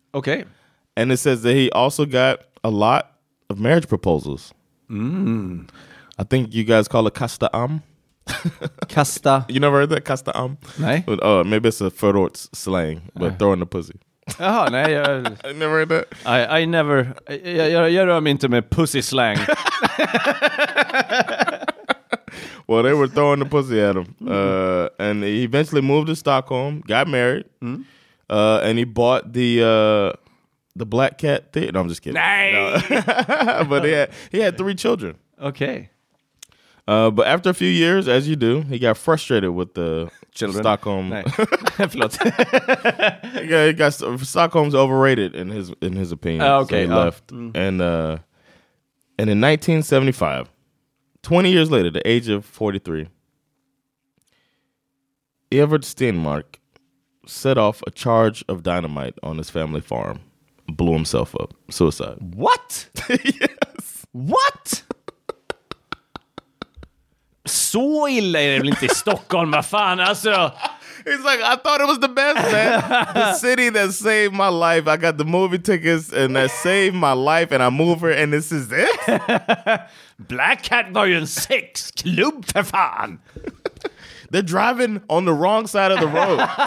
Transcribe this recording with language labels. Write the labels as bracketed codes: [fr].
[en] Okay. And it says that he also got a lot of marriage proposals. Mm. I think you guys call it casta am. Casta. You never heard that casta am? [sv] Nej. [en] Oh, maybe it's a förorts slang, but throwing the pussy. [sv] Ah, oh, nej. Jag... [en] I never heard that. I never. [sv] Jag rör mig inte med pussy slang. [en] Well, they were throwing the pussy at him. And he eventually moved to Stockholm, got married, and he bought the Black Cat Theater. No, I'm just kidding. Nice. No. But he had three children. Okay. But after a few years, as you do, he got frustrated with the children. Stockholm. Nice. he got Stockholm's overrated in his opinion. Okay. So he left. And in 1975, 20 years later, the age of 43, Evert Stenmark set off a charge of dynamite on his family farm, blew himself up, suicide. What? Yes. What? [sv] Så illa är det väl inte i Stockholm, vad fan, alltså. [en] He's like, I thought it was the best, man. The city that saved my life. I got the movie tickets and that saved my life and I move here and this is it? Black Cat Volume 6, Club för fan. They're driving on the wrong side of the road.